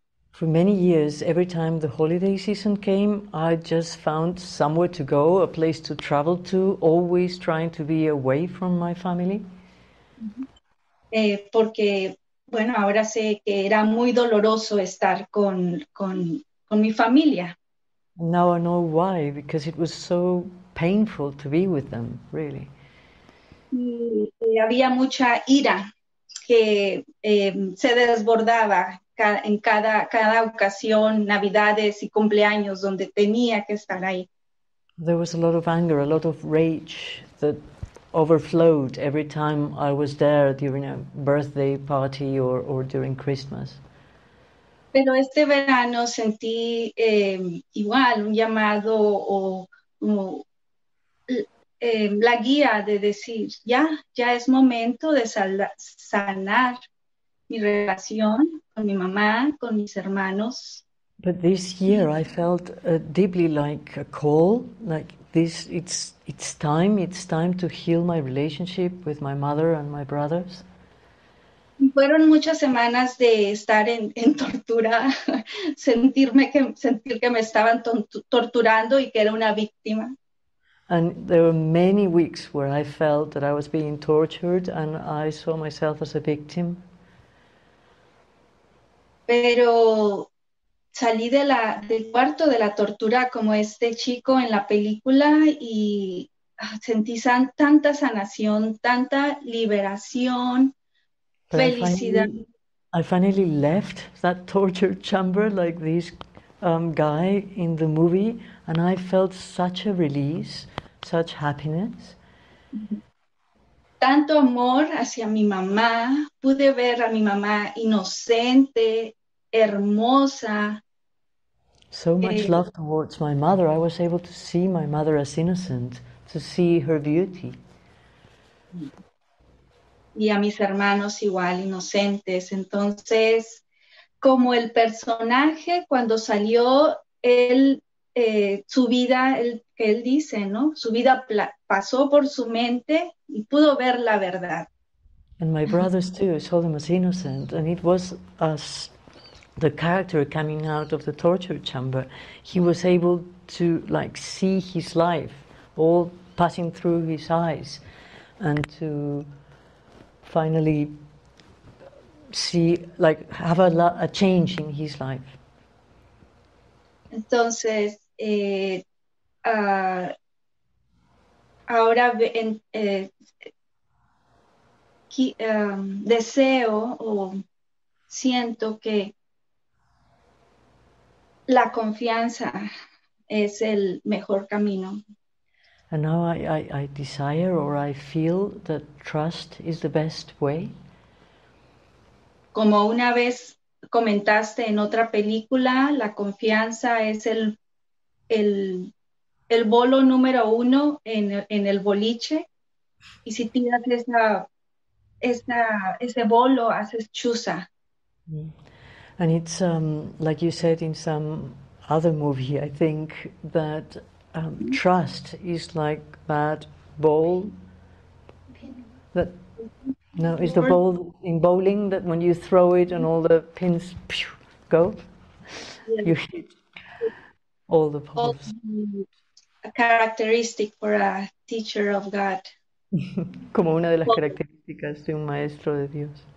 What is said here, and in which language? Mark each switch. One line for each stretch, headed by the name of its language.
English: For many years, every time the holiday season came, I just found somewhere to go, a place to travel to, always trying to be away from my family. Mm-hmm.
Spanish: Porque, bueno, ahora sé que era muy doloroso estar con mi familia.
English: Now I know why, because it was so painful to be with them, really.
Spanish: Y había mucha ira que se desbordaba en cada ocasión, navidades y cumpleaños donde tenía que estar ahí.
English: There was a lot of anger, a lot of rage that overflowed every time I was there during a birthday party or during Christmas.
Spanish: Pero este verano sentí igual un llamado o la guía de decir, ya es momento de sanar mi relación con mi mamá, con mis hermanos.
English: But this year I felt deeply like a call, like this, it's time to heal my relationship with my mother and my brothers.
Spanish: Fueron muchas semanas de estar en tortura, sentir que me estaban torturando y que era una víctima.
English: And there were many weeks where I felt that I was being tortured and I saw myself as a victim.
Spanish: Pero salí del cuarto de la tortura como este chico en la película y sentí tanta sanación, tanta liberación,
English: but
Spanish: felicidad.
English: I finally left that torture chamber like this guy in the movie, and I felt such a release, such happiness.
Spanish: Tanto amor hacia mi mamá, pude ver a mi mamá inocente, hermosa.
English: So much love towards my mother, I was able to see my mother as innocent, to see her beauty.
Spanish: Y a mis hermanos igual, inocentes. Entonces, como el personaje, cuando salió, él, su vida, él dice, ¿no? Su vida pasó por su mente y pudo ver la verdad.
English: And my brothers too, I saw them as innocent, and it was us. The character coming out of the torture chamber, he was able to like see his life all passing through his eyes and to finally see, like have a change in his life.
Spanish: Entonces, ahora deseo o siento que la confianza es el mejor camino.
English: And now I desire or I feel that trust is the best way.
Spanish: Como una vez comentaste en otra película, la confianza es el bolo número uno en el boliche. Y si tiras ese bolo, haces chusa.
English: And it's like you said in some other movie, I think, that trust is like that ball. Is the ball in bowling that when you throw it and all the pins pew, go, you hit all the balls. A characteristic for a teacher of God.
Spanish: Como una de las características de un maestro de Dios.